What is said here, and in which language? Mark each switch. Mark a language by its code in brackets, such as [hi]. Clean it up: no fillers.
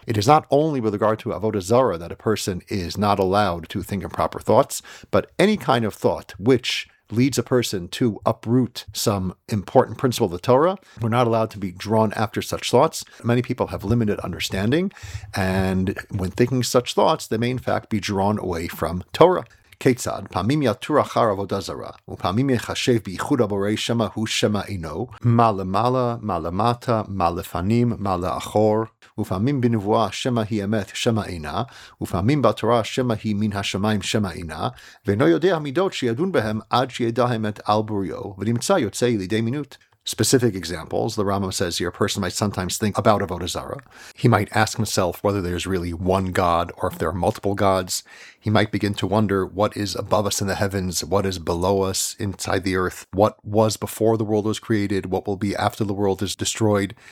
[en] It is not only with regard to avodah zara that a person is not allowed to think improper thoughts, but any kind of thought which leads a person to uproot some important principle of the Torah, we're not allowed to be drawn after such thoughts. Many people have limited understanding, and when thinking such thoughts, they may in fact be drawn away from Torah. [he] Ketzad, pamim yatur achar avodah zarah, upamim yechashev biyichud aborei shema hu shema ino, ma lemala, ma lemata, ma lefanim, ma leachor, ופעמים בנבואה שמה היא אמת שמה אינה, ופעמים בתורה שמה היא מן השמיים שמה אינה, ואינו יודע המידות שידון בהם עד שידע האמת על בוריו, ונמצא יוצא לידי מינות. [en] Specific examples, the Rambam says here, a person might sometimes think about avodah zarah. He might ask himself whether there's really one God or if there are multiple gods. He might begin to wonder what is above us in the heavens, what is below us inside the earth, what was before the world was created, what will be after the world is destroyed.